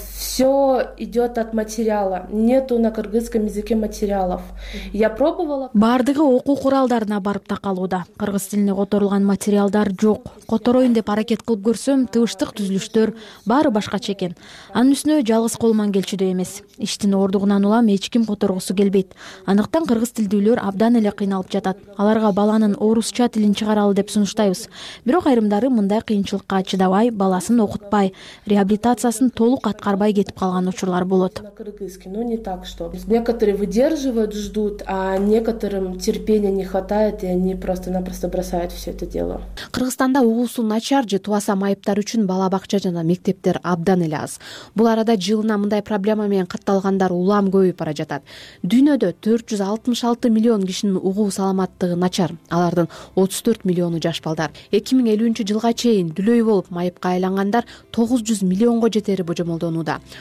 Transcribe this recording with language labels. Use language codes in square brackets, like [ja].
[ru] Все идет от материала, нету на кыргызском языке материалов. Я пробовала. [ky] Баардыгы окуу куралдарына барып такалууда. Кыргыз тилине которулган материалдар жок. Которойюн деп аракет кылып көрсөм, тыбыштык түзүлүштөр баары башкача экен. Анын үстүнө жалгыз кол ман келчүдө эмес. Иштин ордугунан улам эч ким которгусу келбейт. Аныктан кыргыз тилдүүлөр абдан эле кыйналып жатат. Аларга баланын орусча тилин чыгаралы деп сунуштайбыз. Бирок айрымдары мындай кыйынчылыкка чыдабай, баласын окутпай, реабилитациясын толук аткарбай кетип калган учурлар болот. [ru] Что некоторые выдерживают, ждут, а некоторым терпения не хватает, и они просто-напросто бросают все это дело. [ky] Кыргызстанда угуусу начар же тубаса майыптар үчүн бала бакча жана мектептер абдан эле аз. Бул арада жылына мындай проблема менен катталгандар улам көбөйүп бара жатат. Дүйнөдө 466 миллион кишинин угуу саламаттыгы начар. Алардын 34 миллиону жаш балдар. 2050 жылга чейин дүлөй болуп майыпка айлангандар 900 миллионго жетери божомолдонууда.